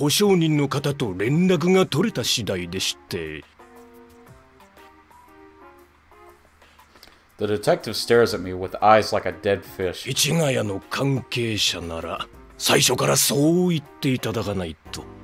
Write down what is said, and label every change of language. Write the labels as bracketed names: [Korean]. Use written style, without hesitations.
[Japanese] こちらに連絡が行っていなかったようで、先ほどようやっとあなたの身元保証人の方と連絡が取れた次第でして。 [English] The detective stares at me with eyes like a dead fish. [Japanese] 市ヶ谷の関係者なら、最初からそう言っていただかないと。